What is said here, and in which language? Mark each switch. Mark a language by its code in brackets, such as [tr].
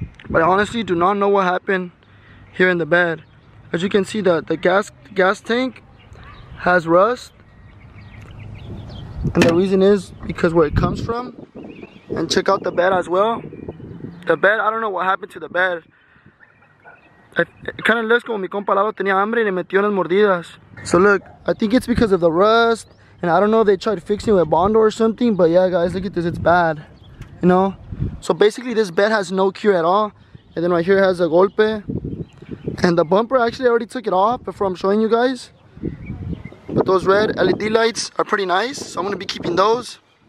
[en] But I honestly do not know what happened here in the bed. As you can see, the gas tank has rust, and the reason is because where it comes from. And check out the bed as well. The bed, I don't know what happened to the bed. It kind of looks [es] como mi compa Lalo tenía hambre y le metió unas mordidas. [en] So look, I think it's because of the rust, and I don't know if they tried fixing it with Bondo or something, but yeah guys, look at this, it's bad, you know. So basically this bed has no cure at all. And then right here it has a golpe. And the bumper, actually, I already took it off before I'm showing you guys. But those red LED lights are pretty nice, so I'm gonna be keeping those.